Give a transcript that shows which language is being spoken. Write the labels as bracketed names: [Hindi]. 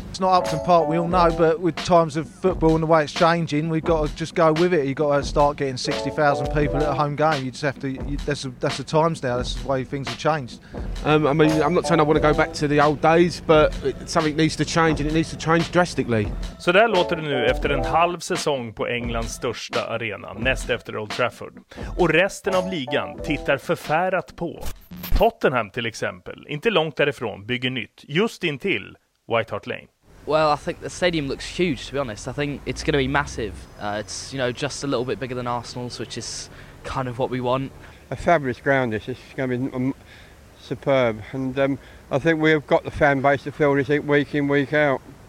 [English] It's not Upton Park, we all know, but with times of football and the way it's changing, we've got to just go with it. You've got to start getting 60,000 people at a home game. You just have to. That's the times now. That's the way things have changed. I mean, I'm not saying I want to go back to the old days, but something needs to change, and it needs to change drastically. [Swedish] Så där låter det nu efter en halv säsong på Englands största arena, näst efter Old Trafford. Och resten av ligan tittar förfärat på. Tottenham till exempel, inte långt därifrån, bygger nytt, just intill White Hart Lane. [English] Well, I think the stadium looks huge, to be honest. I think it's going to be massive. It's, you know, just a little bit bigger than Arsenal's, which is kind of what we want. A fabulous ground, this is going to be superb. And I think we have got the fan base to fill this week in, week out.